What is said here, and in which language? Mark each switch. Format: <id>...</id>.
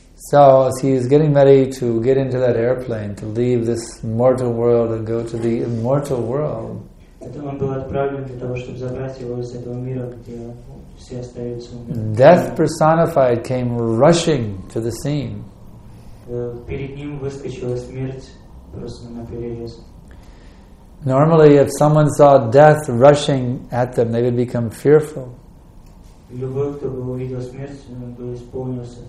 <en>So as he is getting ready to get into that airplane, to leave this mortal world and go to the immortal world,</en> <ru>он был отправлен для того, чтобы забрать его из этого мира, где все остаются.</ru> <en>Death personified came rushing to the scene.</en> <ru>Перед ним выскочила смерть просто на перерез.</ru> <en>Normally, if someone saw death rushing at them, they would become fearful.</en> <ru>Любой, кто бы увидел смерть, он бы исполнился.</ru>